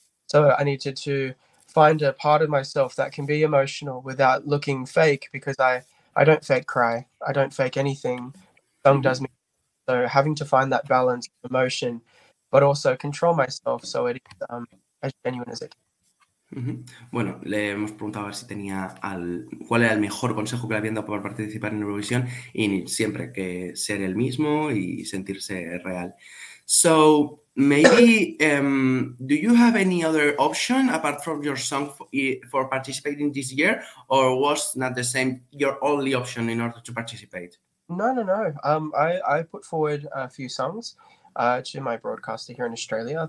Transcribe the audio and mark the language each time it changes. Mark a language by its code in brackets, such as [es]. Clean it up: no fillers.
[en] So I needed to find a part of myself that can be emotional without looking fake, because I don't fake cry, I don't fake anything. Song does me. So having to find that balance of emotion, but also control myself so it is as genuine as it can. [es] Bueno, le hemos preguntado a ver si tenía cuál era el mejor consejo que le habían dado por participar en Eurovisión y siempre que ser el mismo y sentirse real. [en] So, maybe, do you have any other option apart from your song for participating this year, or was not the same your only option in order to participate? No. I put forward a few songs to my broadcaster here in Australia.